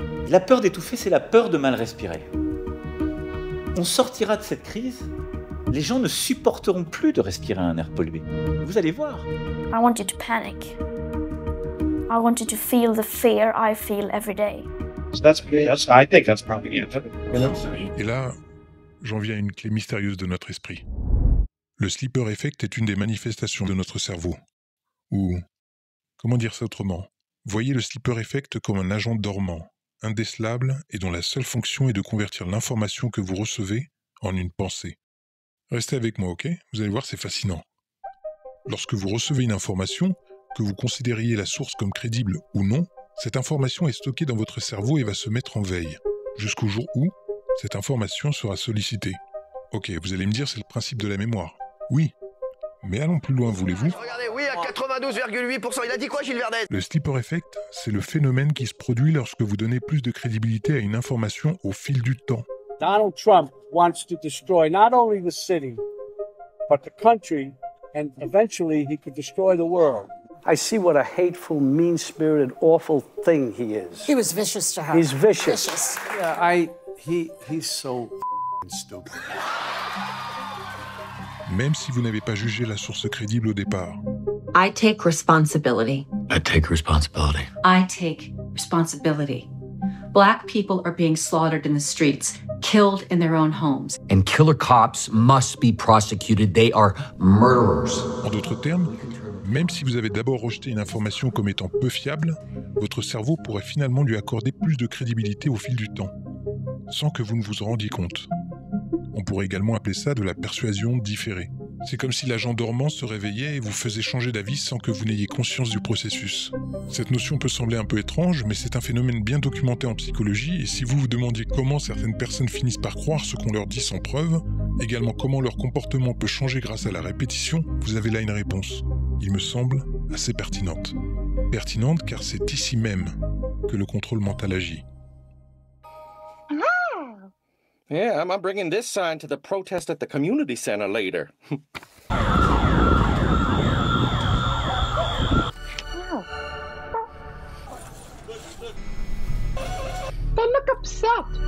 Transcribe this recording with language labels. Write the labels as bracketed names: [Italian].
[French] La peur d'étouffer, c'est la peur de mal respirer. On sortira de cette crise, les gens ne supporteront plus de respirer un air pollué. Vous allez voir. [English] I want you to panic. I want you to feel the fear I feel every day. So that's I think that's probably it. [French] Et là, j'en viens à une clé mystérieuse de notre esprit. Le sleeper effect est une des manifestations de notre cerveau. Ou, comment dire ça autrement? Voyez le sleeper effect comme un agent dormant, indécelable et dont la seule fonction est de convertir l'information que vous recevez en une pensée. Restez avec moi, ok? Vous allez voir, c'est fascinant. Lorsque vous recevez une information, que vous considériez la source comme crédible ou non, cette information est stockée dans votre cerveau et va se mettre en veille, jusqu'au jour où cette information sera sollicitée. Ok, vous allez me dire, c'est le principe de la mémoire. Oui, mais allons plus loin, voulez-vous? Regardez, oui, à 92,8%, il a dit quoi, Gilles Verdez? Le sleeper effect, c'est le phénomène qui se produit lorsque vous donnez plus de crédibilité à une information au fil du temps. [English] Donald Trump wants to destroy not only the city, but the country, and eventually he could destroy the world. I see what a hateful, mean-spirited, awful thing he is. He was vicious to her. He's vicious. He's so f***ing stupid. [French] Même si vous n'avez pas jugé la source crédible au départ. [English] I take responsibility. I take responsibility. I take responsibility. Black people are being slaughtered in the streets, killed in their own homes. And killer cops must be prosecuted. They are murderers. [French] En d'autres termes, même si vous avez d'abord rejeté une information comme étant peu fiable, votre cerveau pourrait finalement lui accorder plus de crédibilité au fil du temps, sans que vous ne vous en rendiez compte. On pourrait également appeler ça de la persuasion différée. C'est comme si l'agent dormant se réveillait et vous faisait changer d'avis sans que vous n'ayez conscience du processus. Cette notion peut sembler un peu étrange, mais c'est un phénomène bien documenté en psychologie, et si vous vous demandiez comment certaines personnes finissent par croire ce qu'on leur dit sans preuve, également comment leur comportement peut changer grâce à la répétition, vous avez là une réponse. Il me semble assez pertinente. Pertinente car c'est ici même que le contrôle mental agit. [English] Yeah, I'm bringing this sign to the protest at the community center later. They look upset.